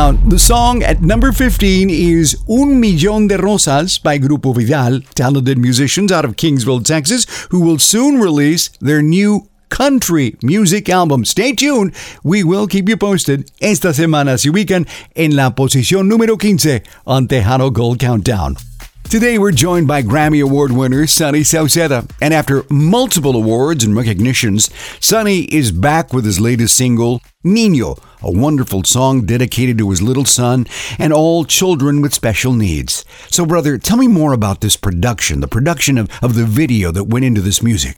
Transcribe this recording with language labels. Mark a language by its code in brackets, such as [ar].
[en] The song at number 15 is Un Millón de Rosas by Grupo Vidal, talented musicians out of Kingsville, Texas, who will soon release their new country music album. Stay tuned, we will keep you posted. [es] Esta semana se ubican en la posición número 15 on Tejano Gold Countdown. [en] Today we're joined by Grammy Award winner Sonny Sauceda, and after multiple awards and recognitions, Sonny is back with his latest single, Niño, a wonderful song dedicated to his little son and all children with special needs. So, brother, tell me more about this production, the production of the video that went into this music.